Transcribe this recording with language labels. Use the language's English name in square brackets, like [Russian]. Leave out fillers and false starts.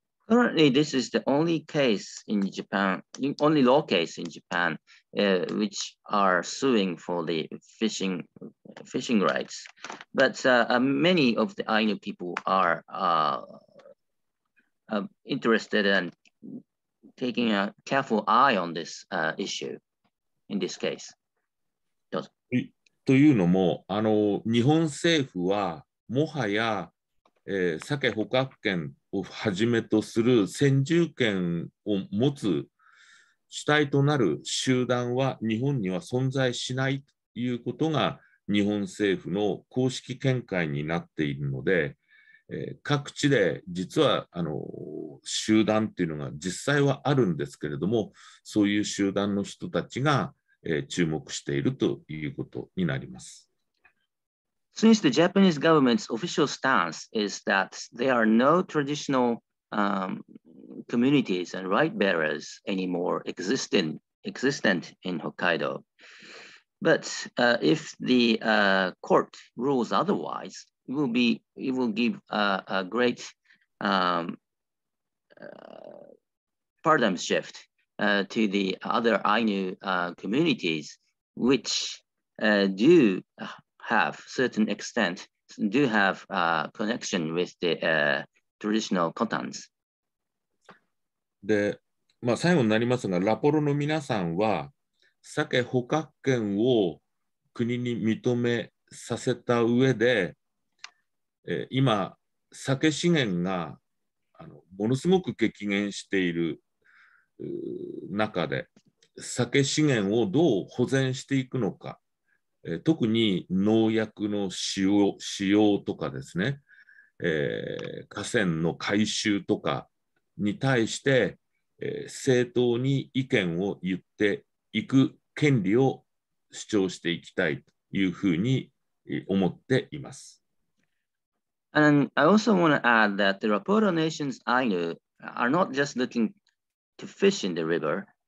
[English] Currently, this is the only case in Japan, only law case in Japan, which are suing for the fishing rights. But many of the Ainu people are interested and taking a careful eye on this issue in this case. [Japanese] どうぞ。というのも、日本政府はもはや、サケ捕獲権をはじめとする先住権を持つ主体となる集団は日本には存在しないということが日本政府の公式見解になっているので、各地で実は集団っていうのが実際はあるんですけれども、そういう集団の人たちが、注目しているということになります。 [English] Since the Japanese government's official stance is that there are no traditional communities and right bearers anymore existent in Hokkaido. But if the court rules otherwise, it will give a great paradigm shift to the other Ainu communities, which do have certain extent, do have a connection with the traditional contents. [Japanese] で、まあ、最後になりますが、ラポロの皆さんは、サケ捕獲権を国に認めさせた上で、今、サケ資源がものすごく激減している中で、サケ資源をどう保全していくのか、特に農薬の使用とかですね、河川の改修とかに対して、正当に意見を言っていく権利を主張していきたいというふうに思っています。 [English] And I also want to add that the Rapoto Nation's Ainu are not just looking to fish in the river.